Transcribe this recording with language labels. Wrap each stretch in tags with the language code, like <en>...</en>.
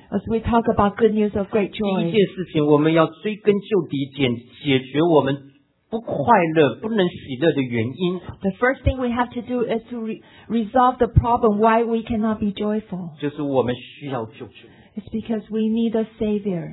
<en>as we talk about good news of great joy,</en> <zh>第一件事情, 我们要追根究底, 解决我们不快乐不能喜乐的原因,</zh> <en>the first thing we have to do is to resolve the problem why we cannot be joyful.</en> <zh>就是我们需要救助,</zh> <en>it's because we need a Savior.</en>